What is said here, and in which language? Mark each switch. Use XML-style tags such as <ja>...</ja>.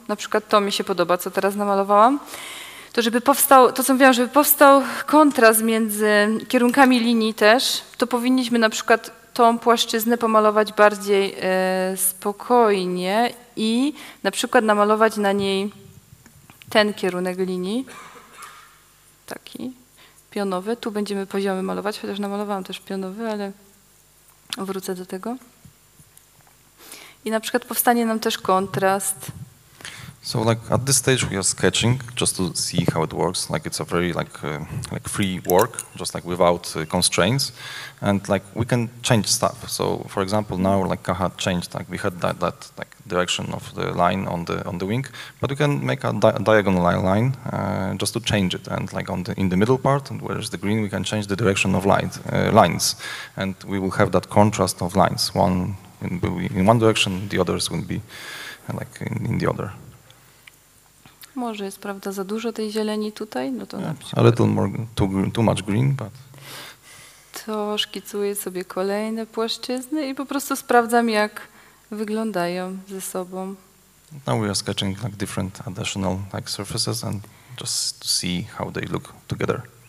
<pl>Na przykład to mi się podoba, co teraz namalowałam. To, żeby powstał, to co mówiłam, żeby powstał kontrast między kierunkami linii też, to powinniśmy na przykład tą płaszczyznę pomalować bardziej spokojnie i na przykład namalować na niej ten kierunek linii, taki pionowy. Tu będziemy poziomy malować, chociaż namalowałam też pionowy, ale wrócę do tego. I na przykład powstanie nam też kontrast.</pl> <en>So like at this stage we are sketching just to see how it works. Like it's a very like like free work, just like without constraints, and like we can change stuff. So for example now like Kaha changed like we had that like direction of the line on the wing, but we can make a diagonal line just to change it. And like in the middle part where is the green, we can change the direction of light lines, and we will have that contrast of lines. One will be in one direction, the others will be like in the other.</en> <pl>Może jest, prawda, za dużo tej zieleni tutaj, no to na przykład...</pl> <en>A little more, too much green, but...</en> <pl>To szkicuję sobie kolejne płaszczyzny i po prostu sprawdzam, jak wyglądają ze sobą.</pl> <en>Now we are sketching like different additional like surfaces and just to see how they look together.</en>